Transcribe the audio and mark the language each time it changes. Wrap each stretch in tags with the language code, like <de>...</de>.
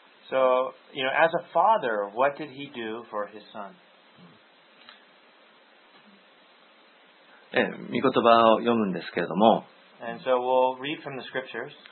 <en>So, you know, as a father, what did he do for his son?</en> <ja>御言葉を読むんですけれども。</ja> <en>And so we'll read from the scriptures.</en>